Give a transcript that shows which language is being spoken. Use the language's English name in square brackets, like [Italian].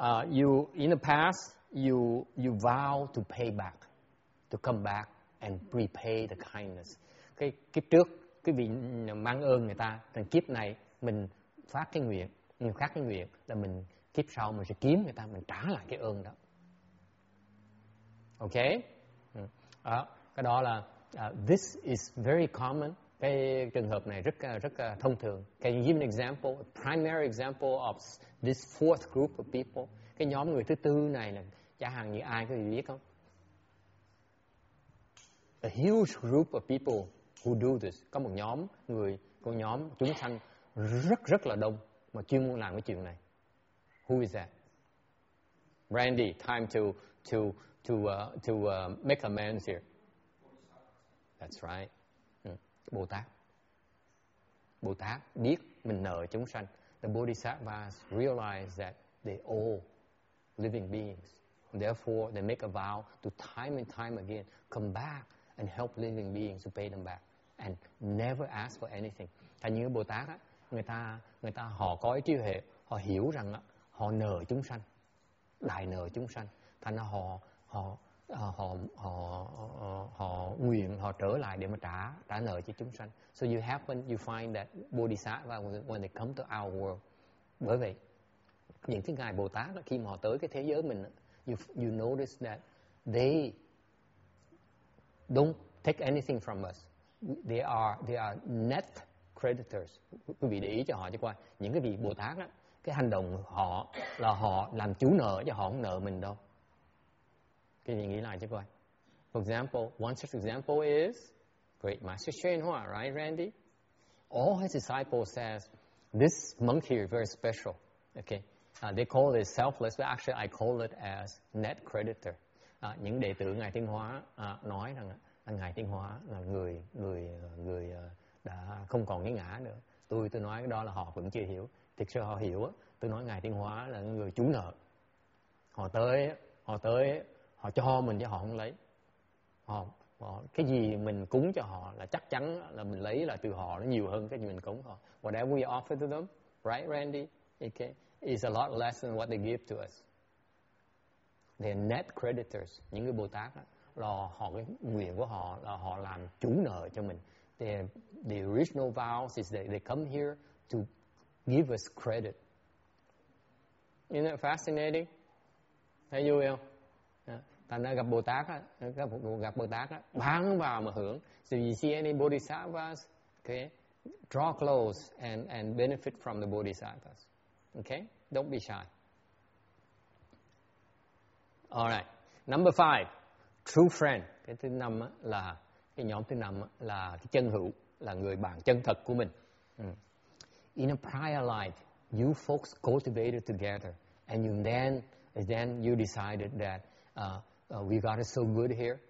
[English] In the past, you vow to pay back, to come back and repay the kindness. [Vietnamese] Cái trước, cái vị mang ơn người ta, thằng kiếp này mình phát cái nguyện, mình phát cái nguyện là mình kiếp sau mình sẽ kiếm người ta, mình trả lại cái ơn đó. [English] Okay? [Vietnamese] Cái đó là [English] this is very common. [Vietnamese] Cái trường hợp này rất thông thường. [English] Can you give an example? A primary example of this fourth group of people. [Vietnamese] Cái nhóm người thứ tư này là chẳng hạn như ai có gì biết không? [English] A huge group of people who do this. [Vietnamese] Có một nhóm người, có nhóm chúng sanh rất rất là đông mà chuyên môn làm cái chuyện này. [English] Who is that? Randy, time to make amends here. That's right. Bồ Tát. [Vietnamese] Bồ Tát biết mình nợ chúng sanh. [English] The Bodhisattvas realize that they owe living beings. Therefore, they make a vow to time and time again come back and help living beings to pay them back and never ask for anything. [Vietnamese] Thành như Bồ Tát á, người ta họ có trí huệ, họ hiểu rằng á, họ nợ chúng sanh. Đại nợ chúng sanh. Thành ra họ nguyện họ trở lại để mà trả nợ cho chúng sanh. [English] So you happen you find that Bodhisattva when they come to our world. [Vietnamese] Bởi vậy những cái ngài Bồ Tát khi mà họ tới cái thế giới mình, [English] you notice that they don't take anything from us. They are net creditors. [Vietnamese] Quý vị để ý cho họ chứ qua những cái vị Bồ Tát á, cái hành động họ là họ làm chủ nợ cho họ không nợ mình đâu. [English] For example, one such example is Great Master Shen Hua, right, Randy? All his disciples says, this monk here is very special. Okay, they call it selfless, but actually I call it as net creditor. [Vietnamese] Những đệ tử ngài Thiên Hóa nói rằng ngài Thiên Hóa là người đã không còn cái ngã nữa. Tôi nói đó là họ vẫn chưa hiểu. Thực sự họ hiểu. Tôi nói ngài Thiên Hóa là người chủ nợ. Họ tới. Họ cho mình chứ họ không lấy. Họ cái gì mình cúng cho họ là chắc chắn là mình lấy là từ họ nó nhiều hơn cái gì mình cúng họ. [English] Whatever we offer to them, right, Randy? Okay, is a lot less than what they give to us. They're net creditors. [Vietnamese] Những người Bồ Tát là họ cái nguyện của họ là họ làm chủ nợ cho mình. [English] The original vows is that they come here to give us credit. Isn't that fascinating? [Vietnamese] Thấy vui không? Thành ra gặp Bồ Tát gặp Bồ Tát bán vào mà hưởng. [English] So you see any Bodhisattvas, okay, draw close and benefit from the Bodhisattvas. Okay, don't be shy. Alright. Number five, true friend. [Vietnamese] Cái thứ năm là cái nhóm thứ năm là cái chân hữu, là người bạn chân thật của mình. [English] In a prior life, you folks cultivated together, and then you decided that we got it so good here.